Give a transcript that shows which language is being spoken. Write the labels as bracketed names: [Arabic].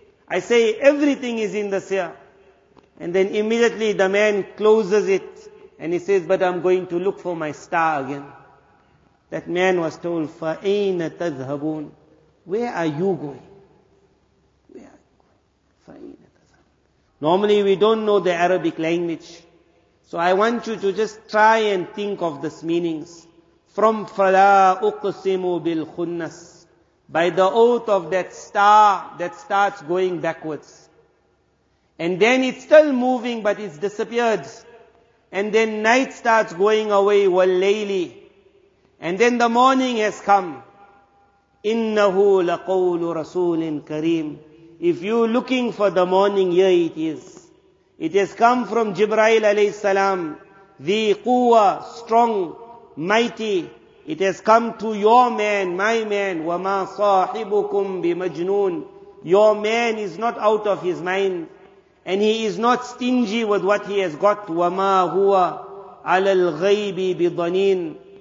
[English] I say everything is in the seer. And then immediately the man closes it and he says, but I'm going to look for my star again. That man was told, [Arabic] فَأَيْنَ تَذْهَبُونَ. [English] Where are you going? Where are you going? [Arabic] فَأَيْنَ تَذْهَبُونَ. [English] Normally we don't know the Arabic language. So I want you to just try and think of this meanings. From [Arabic] فَلَا أُقْسِمُ بِالْخُنَّسِ. [English] By the oath of that star that starts going backwards. And then it's still moving but it's disappeared. And then night starts going away, [Arabic] وَاللَّيْلِ. [English] And then the morning has come. [Arabic] إِنَّهُ لَقَوْلُ رَسُولٍ كَرِيمٍ. [English] If you're looking for the morning, here it is. It has come from Jibreel alayhi salam. [Arabic] ذِي قُوَى, [English] strong. Mighty, it has come to your man, my man. [Arabic] وَمَا صَاحِبُكُمْ بِمَجْنُونَ. [English] Your man is not out of his mind. And he is not stingy with what he has got. [Arabic] وَمَا هُوَ عَلَى الْغَيْبِ بِضَنِينَ.